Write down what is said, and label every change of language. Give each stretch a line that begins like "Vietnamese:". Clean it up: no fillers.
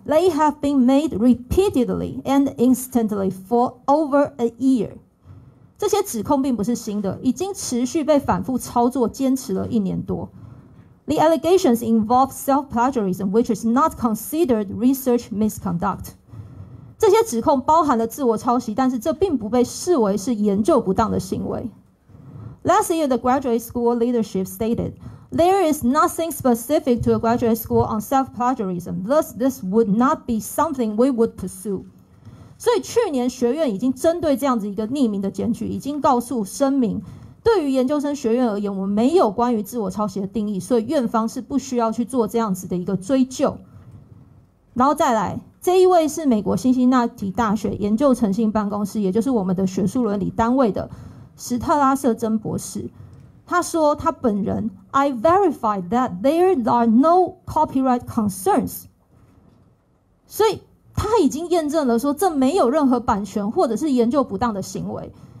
English: They have been made repeatedly and instantly for over a year.
Chinese: 这些指控并不是新的，已经持续被反复操作，坚持了一年多。
English: The allegations involve self-plagiarism, which is not considered research misconduct.
Chinese: 这些指控包含了自我抄袭，但是这并不被视为是研究不当的行为。
English: Last year, the graduate school leadership statedThere is nothing specific to a graduate school on self-plagiarism, thus this would not be something we would pursue.
Chinese: 所以去年学院已经针对这样子一个匿名的检举，已经告诉声明，对于研究生学院而言，我们没有关于自我抄袭的定义，所以院方是不需要去做这样子的一个追究。然后再来，这一位是美国辛辛那提大学研究诚信办公室，也就是我们的学术伦理单位的史特拉瑟珍博士，他说他本人
English: I verify that there are no copyright concerns，
Chinese: 所以他已经验证了说这没有任何版权或者是研究不当的行为。